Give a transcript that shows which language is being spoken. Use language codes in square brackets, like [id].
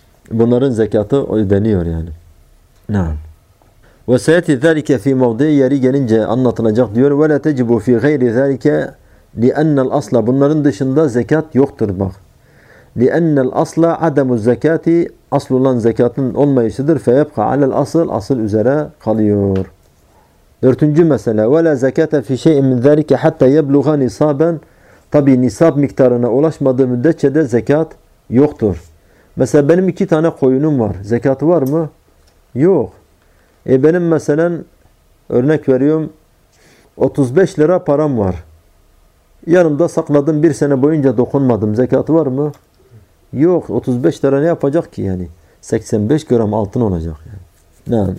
[tr] Bunların zekatı ödeniyor yani. Naam. [ar] Ve seyeti zelike fi mevdi'i [tr] yeri gelince anlatılacak diyor. [ar] Ve le tecibu fi gayri zelike li ennel asla. [tr] Bunların dışında zekat yoktur bak. [ar] لِأَنَّ الْأَصْلَ عَدَمُ الزَّكَاتِ [tr] Asıl olan zekatın olmayışıdır. [ar] فَيَبْقَ عَلَى الْأَصْلِ [tr] Asıl üzere kalıyor. Dörtüncü mesele. [ar] وَلَا زَكَاتَ فِي شَيْءٍ مِنْ ذَلِكَ حَتَّى يَبْلُغَ نِسَابًا [tr] Tabi nisab miktarına ulaşmadığı müddetçe de zekat yoktur. Mesela benim 2 tane koyunum var. Zekatı var mı? Yok. Benim mesela örnek veriyorum. 35 lira param var. Yanımda sakladım. 1 sene boyunca dokunmadım. Zekatı var mı? Yok 35 lira ne yapacak ki yani 85 gram altın olacak yani. Ne?